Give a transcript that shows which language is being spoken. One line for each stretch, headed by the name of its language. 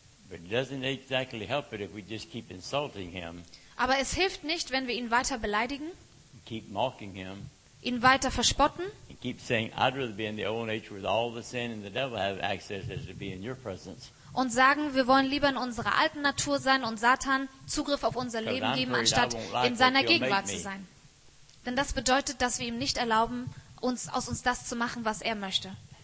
German: Aber es hilft nicht, wenn wir ihn weiter beleidigen, ihn weiter verspotten
English: keep saying, I'd rather be in the old nature with all the sin and the devil have access as to be in your presence.
German: Und sagen, wir wollen lieber in unserer alten Natur sein und Satan Zugriff auf unser Leben geben, anstatt in seiner Gegenwart zu sein. Denn das bedeutet, dass wir ihm nicht erlauben, uns aus uns das zu machen, was er möchte.